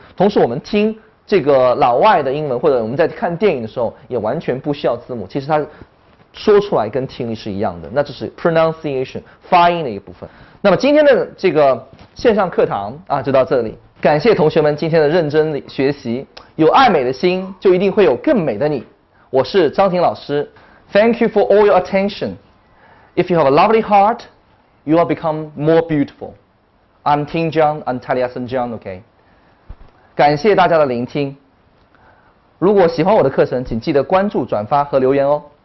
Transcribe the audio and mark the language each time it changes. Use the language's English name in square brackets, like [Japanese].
[Chinese] 同时我们听这个老外的英文，或者我们在看电影的时候也完全不需要字幕，其实它说出来跟听力是一样的，那这是 pronunciation 发音的一部分。那么今天的这个线上课堂啊，就到这里，感谢同学们今天的认真学习。有爱美的心，就一定会有更美的你。我是张婷老师， [English] Thank you for all your attention. If you have a lovely heart, you will become more beautiful. I'm Ting Zhang, I'm Talia Sun Zhang, okay? [Chinese] 感谢大家的聆听，如果喜欢我的课程，请记得关注、转发和留言哦。